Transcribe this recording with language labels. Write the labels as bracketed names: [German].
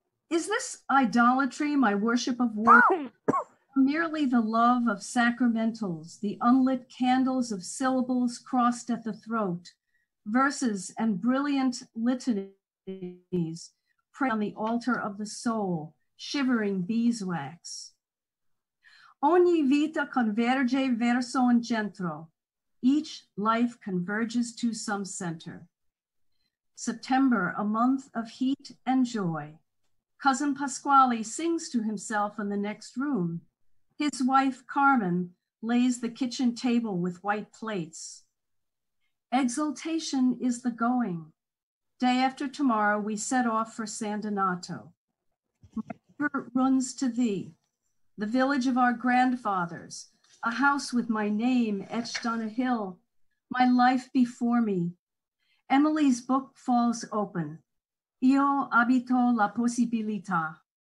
[English] Is this idolatry, my worship of work, merely the love of sacramentals, the unlit candles of syllables crossed at the throat, verses and brilliant litanies, pray on the altar of the soul, shivering beeswax. [Italian] Ogni vita converge verso un centro. [English] Each life converges to some center. September, a month of heat and joy. Cousin Pasquale sings to himself in the next room. His wife, Carmen, lays the kitchen table with white plates. Exaltation is the going. Day after tomorrow, we set off for San Donato. My river runs to thee, the village of our grandfathers, a house with my name etched on a hill, my life before me. Emily's book falls open. [Italian] Io abito la possibilità.